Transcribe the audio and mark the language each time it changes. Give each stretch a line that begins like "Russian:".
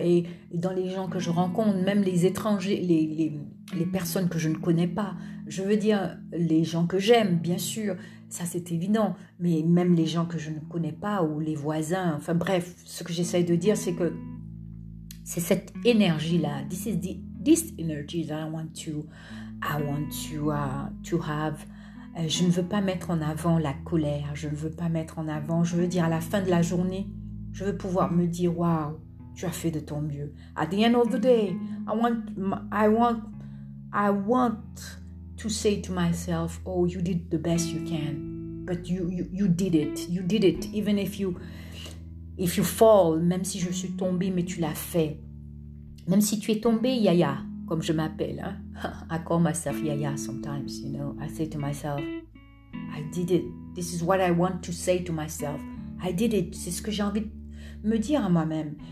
French: Et dans les gens que je rencontre, même les étrangers, les personnes que je ne connais pas, je veux dire les gens que j'aime, bien sûr, ça c'est évident, mais même les gens que je ne connais pas ou les voisins, enfin bref, ce que j'essaie de dire, c'est que c'est cette énergie-là.
English: This energy that I want to have.
French: Je ne veux pas mettre en avant la colère. Je ne veux pas mettre en avant. Je veux dire à la fin de la journée, je veux pouvoir me dire, waouh, tu as fait de ton mieux.
English: At the end of the day, I want to say to myself, oh, you did the best you can, but you did it. Even if you fall,
French: même si je suis tombée, mais tu l'as fait. Même si tu es tombée, Yaya, comme je m'appelle, hein?
English: I call myself Yaya sometimes, you know. I say to myself, I did it. This is what I want to say to myself. I did it.
French: C'est ce que j'ai envie de me dire à moi-même.